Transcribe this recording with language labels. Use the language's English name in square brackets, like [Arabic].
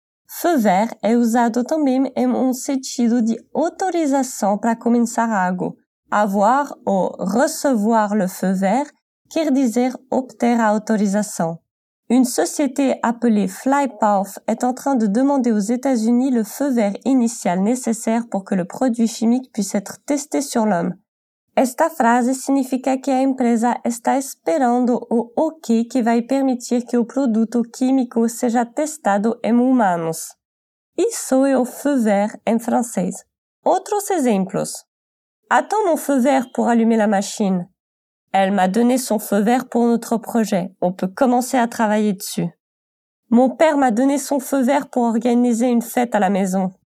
[Portuguese] Feu vert é usado também em sentido de autorização para começar algo. [French] Avoir ou recevoir le feu vert [Portuguese] quer dizer obter a autorização. [French] Une société appelée FlightPath est en train de demander aux États-Unis le feu vert initial nécessaire pour que le produit chimique puisse être testé sur l'homme. [Portuguese] Esta frase significa que a empresa está esperando o ok que vai permitir que o produto químico seja testado em humanos. Isso é o feu vert em francês. Outros exemplos. [French] Attends mon feu vert pour allumer la machine. Elle m'a donné son feu vert pour notre projet. On peut commencer à travailler dessus. Mon père m'a donné son feu vert pour organiser une fête à la maison.